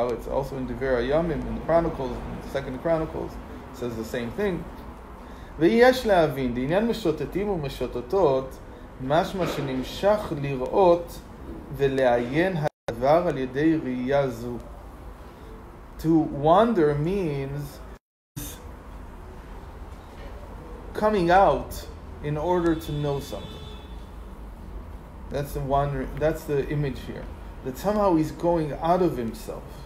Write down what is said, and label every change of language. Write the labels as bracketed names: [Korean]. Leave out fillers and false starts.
[English] Also in Devar HaYamim, in the Chronicles, in the Second Chronicles, says the same thing. [Hebrew] ויש להבין, דעניין משוטטים ומשוטטות, משמע שנמשך לראות ולעיין הדבר על ידי ראייה זו. [English] To wander means coming out in order to know something. That's the wandering, that's the image here. That somehow he's going out of himself.